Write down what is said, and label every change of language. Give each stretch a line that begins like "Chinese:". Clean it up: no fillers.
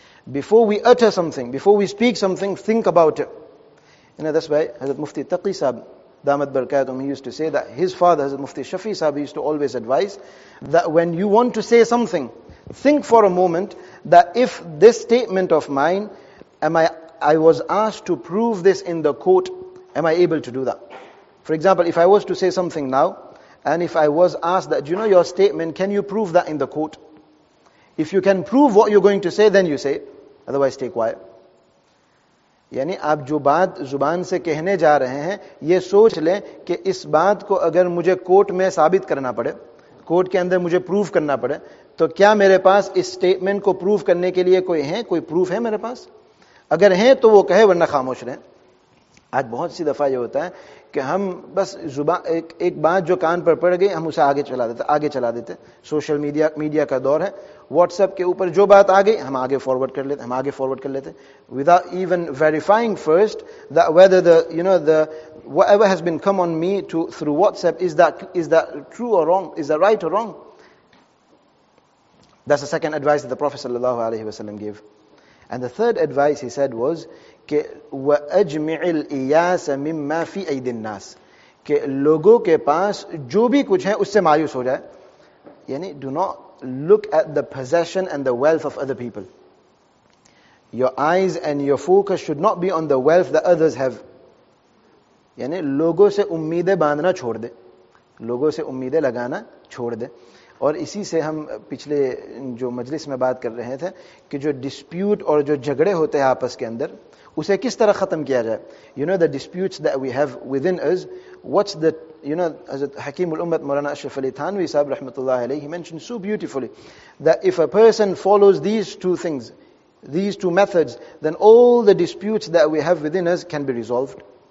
English: Before we utter something, before we speak something, think about it. You know, that's why Hazrat Mufti Taqi Sahib Damat Barakatum, he used to say that his father, Hazrat Mufti Shafi Sahib, used to always advise that when you want to say something, think for a moment that if this statement of mine, I was asked to prove this in the court, am I able to do that? For example, if I was to say something now, and if I was asked that, you know your statement, can you prove that in the court? If you can prove what you're going to say, then you say it. Otherwise, stay quiet.
Urdu: یعنی آپ جو بات زبان سے کہنے جا رہے ہیں یہ سوچ لیں کہ اس بات کو اگر مجھے کورٹ میں ثابت کرنا پڑے کورٹ کے اندر مجھے پروف کرنا پڑے تو کیا میرے پاس اس سٹیٹمنٹ کو پروف کرنے کے لیے کوئی ہیں کوئی پروف ہے میرے پاس اگر ہیں تو وہ کہے ورنہ خاموش رہیں آج بہت سی دفعہ یہ ہوتا ہے کہ ہم بس زبان ایک بات جو کان پر پڑ گئی ہم اسے آگے چلا دیتے سوشل میڈیا کا دور ہے واٹس ایپ کے اوپر جو بات آ گئی ہم آگے فارورڈ کر لیتے
English: without even verifying first that whether the you know the whatever has been come on me to through WhatsApp is that true or wrong, is that right or wrong. That's the second advice that the Prophet sallallahu alaihi wasallam gave. And the third advice he said was
Urdu: ke
Arabic: wa ajmi'i al-iyas mimma fi aydi an-nas,
Urdu: ke logo ke paas jo bhi kuch hai usse mayus ho jaye.
English: Yani do not look at the possession and the wealth of other people. Your eyes and your focus should not be on the wealth that others have.
Urdu: Yani logo se ummeed bandhna chhod de, logo se ummeed lagana chhod de. اور اسی سے ہم پچھلے جو مجلس میں بات کر رہے تھے کہ جو ڈسپیوٹ اور جو جھگڑے ہوتے ہیں آپس کے اندر اسے کس طرح ختم کیا جائے.
English: You know the disputes that we have within us, what's the you know حضرت حکیم الامت مولانا اشرف علی تھانوی صاحب رحمۃ اللہ علیہ, he mention so beautifully that if a person follows these two things these two methods then all the disputes that we have within us can be resolved.